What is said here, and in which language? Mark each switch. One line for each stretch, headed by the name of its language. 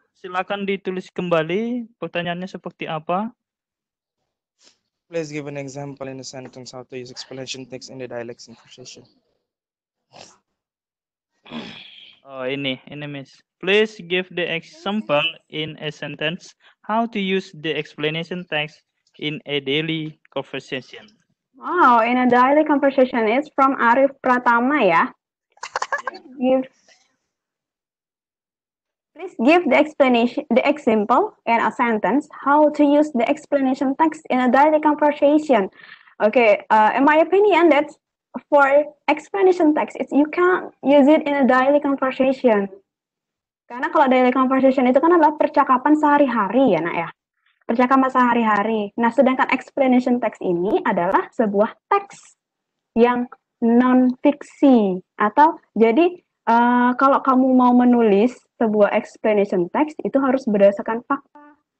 Indonesian: Silakan ditulis kembali pertanyaannya seperti apa.
English: Please give an example in a sentence how to use explanation text in the dialect conversation.
Indonesian: Oh, ini Miss.
English: Please give the example in a sentence how to use the explanation text in a daily conversation. Wow, in a daily conversation. It's from Arif Pratama, ya? Yeah? Yeah. Please give the explanation, the example in a sentence, how to use the explanation text in a daily conversation. Okay, in my opinion, that's for explanation text, it's, you can't use it in a daily conversation.
Indonesian: Karena kalau daily conversation itu kan adalah percakapan sehari-hari, ya nak ya? Percakapan sehari-hari. Nah, sedangkan explanation text ini adalah sebuah teks yang non-fiksi. Atau, jadi, kalau kamu mau menulis sebuah explanation text, itu harus berdasarkan fakta.